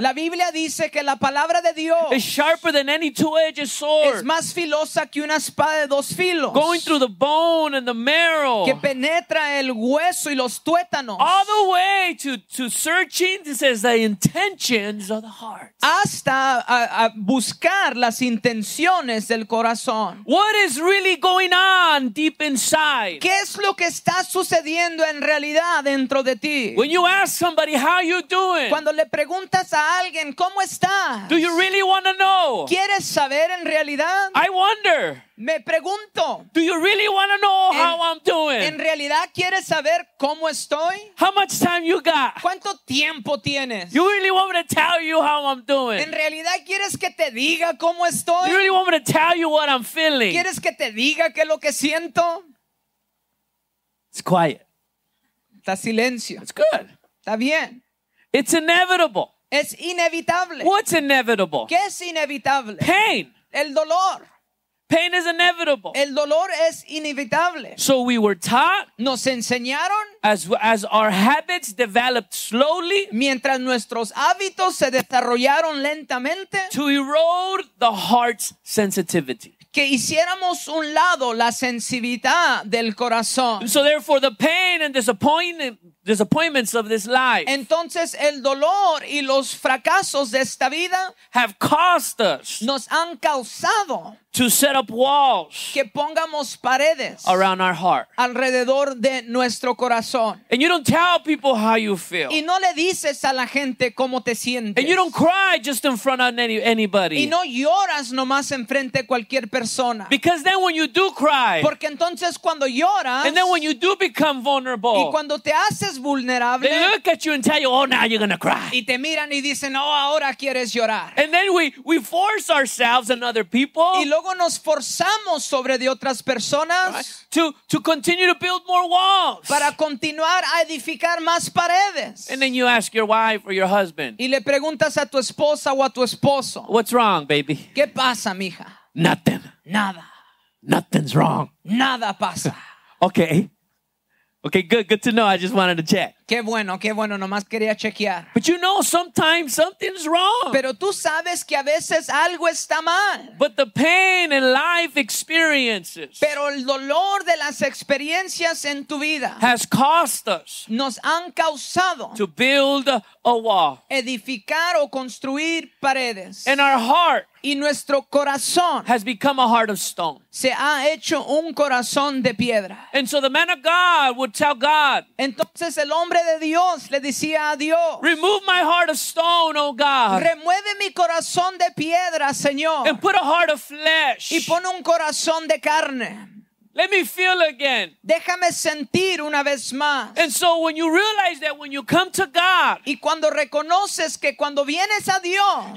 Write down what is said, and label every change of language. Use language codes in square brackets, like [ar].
[es] la Biblia dice que la palabra de Dios, [en] is sharper than any two-edged sword. [es] Es más filosa que una espada de dos filos. [en] Going through the bone and the marrow. [es] Que penetra el hueso y los tuétanos. [en] All the way to searching, it says, the intentions of the heart. [es] Hasta a buscar las intenciones del corazón. [en] What is really going on deep inside? [es] ¿Qué es lo que está sucediendo en realidad dentro de ti? [en] When you ask somebody, how are you doing? [es] Cuando le preguntas a alguien, ¿cómo estás? [en] Do you really want to know? [es] ¿Quieres saber en realidad? [en] I wonder. [es] Me pregunto, [en] do you really want to know how I'm doing? [es] ¿En realidad quieres saber cómo estoy? [en] How much time you got? [es] ¿Cuánto tiempo tienes? [en] You really want me to tell you how I'm doing? [es] ¿En realidad quieres que te diga cómo estoy? [en] You really want me to tell you what I'm feeling? [es] ¿Quieres que te diga qué es lo que siento? [en] It's quiet. [es] Está silencio. [en] It's good. [es] Está bien. [en] It's inevitable. [es] Es inevitable. [en] What's inevitable? [es] ¿Qué es inevitable? [en] Pain. [es] El dolor. [en] Pain is inevitable. [es] El dolor es inevitable. [en] So we were taught. [es] Nos enseñaron. [en] As our habits developed slowly. [es] Mientras nuestros hábitos se desarrollaron lentamente. [en] To erode the heart's sensitivity. [es] Que hiciéramos un lado la sensibilidad del corazón. [en] So therefore the pain and disappointments of this life. [es] Entonces el dolor y los fracasos de esta vida. [en] Have caused us. [es] Nos han causado. [en] To set up walls. [es] Que pongamos paredes. [en] Around our heart. [es] Alrededor de nuestro corazón. [en] And you don't tell people how you feel. [es] Y no le dices a la gente cómo te sientes. [en] And you don't cry just in front of anybody. [es] Y no lloras nomás enfrente de cualquier persona. [en] Because then when you do cry. [es] Porque entonces cuando lloras. [en] And then when you do become vulnerable. [es] Y cuando te haces vulnerable. [en] They look at you and tell you, oh, now you're gonna cry. [es] Y te miran y dicen, oh, ahora quieres llorar. [en] And then we force ourselves and other people. [es] Y luego nos forzamos sobre de otras personas, [en] right? to continue to build more walls. [es] Para continuar a edificar más paredes. [en] And then you ask your wife or your husband. [es] Y le preguntas a tu esposa o a tu esposo. [en] What's wrong, baby? [es] ¿Qué pasa, mija? [en] Nothing. [es] Nada. [en] Nothing's wrong. [es] Nada pasa. [en] Okay. Okay, good. Good to know. I just wanted to check. [es] Qué bueno, qué bueno. Nomás quería chequear. [en] But you know, sometimes something's wrong. [es] Pero tú sabes que a veces algo está mal. [en] But the pain in life experiences. [es] Pero el dolor de las experiencias en tu vida. [en] Has caused us. [es] Nos han causado. [en] To build a wall. [es] Edificar o construir paredes. [en] And our heart. [es] Y nuestro corazón. [en] Has become a heart of stone. [es] Se ha hecho un corazón de piedra. [en] And so the man of God would tell God. [es] Entonces el hombre de Dios le decía a Dios, [en] remove my heart of stone, oh God. [es] Remueve mi corazón de piedra, Señor. [en] And put a heart of flesh. [es] Y pon un corazón de carne. [en] Let me feel again. [es] Déjame sentir una vez más. [en] And so when you realize that when you come to God. [es] Y cuando reconoces que cuando vienes a Dios.